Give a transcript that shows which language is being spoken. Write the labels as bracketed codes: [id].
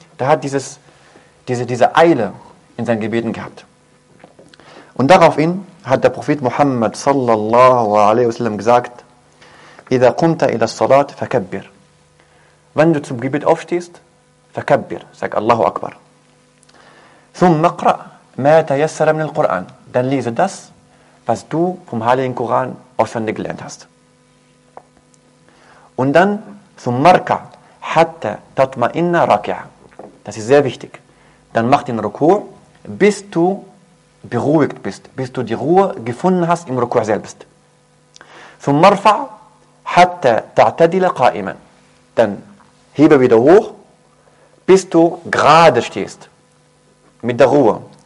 [de] Da hat diese Eile in seinen Gebeten gehabt. Und daraufhin hat der Prophet Muhammad sallallahu alaihi wasallam gesagt, [ar] إذا قمت إلى الصلاة فكبر. [de] Wenn du zum Gebet aufstehst, [ar] فكبر, [de] sag Allahu Akbar. [ar] ثم اقرأ ما تيسر من القرآن. [de] Dann lese das, was du vom Heiligen Koran auswendig gelernt hast. Und dann [ar] ثم اركع حتى تطمئن راكع. [de] Das ist sehr wichtig. Dann mach den Ruku', bis du beruhigt bist, bis du die Ruhe gefunden hast im Ruku' selbst. [ar] ثم ارفع حتى تعتدل قائما. [de] Dann hebe wieder hoch, bis du gerade stehst mit der Ruhe.